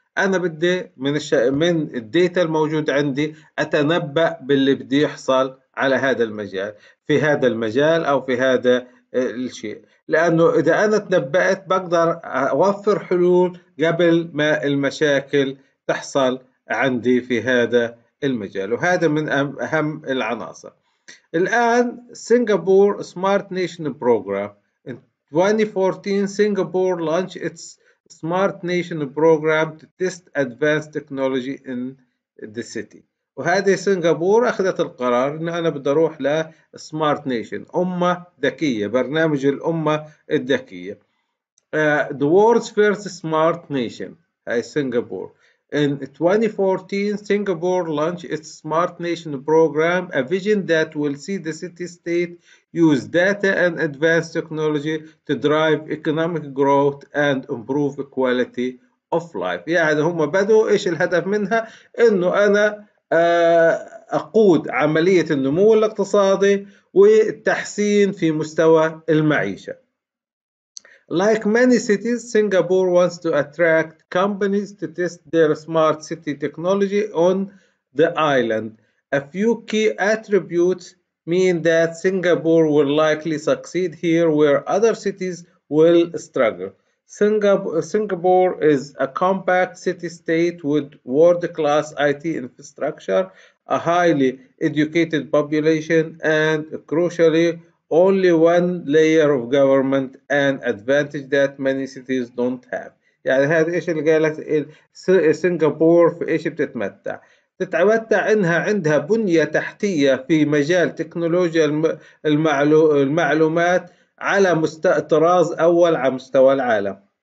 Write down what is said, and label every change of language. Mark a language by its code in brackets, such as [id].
[ar] انا بدي من الداتا الموجود عندي اتنبأ باللي بدي يحصل على هذا المجال في هذا المجال او في هذا الشيء، لانه اذا انا تنبأت بقدر اوفر حلول قبل ما المشاكل تحصل عندي في هذا المجال، وهذا من اهم العناصر. [en] الان سنغافورة smart nation program 2014 Singapore launched its Smart Nation program to test advanced technology in the city. [ar] وهذه سنغافورة أخذت القرار إن أنا بدي أروح ل Smart Nation، أمة ذكية، برنامج الأمة الذكية. [en] The world's first Smart Nation [ar] هاي سنغافورة. [en] In 2014, Singapore launched its Smart Nation program, a vision that will see the city-state use data and advanced technology to drive economic growth and improve quality of life. [ar] يعني هم بدوا ايش الهدف منها؟ انه انا اقود عملية النمو الاقتصادي والتحسين في مستوى المعيشة. [en] Like many cities, Singapore wants to attract companies to test their smart city technology on the island. A few key attributes mean that Singapore will likely succeed here where other cities will struggle. Singapore is a compact city-state with world-class IT infrastructure, a highly educated population, and crucially, only one layer of government, an advantage that many cities don't have. [ar] يعني هذا ايش اللي قالت سنغافورة في ايش بتتمتع؟ تتمتع انها عندها بنية تحتية في مجال تكنولوجيا المعلومات على طراز اول على مستوى العالم.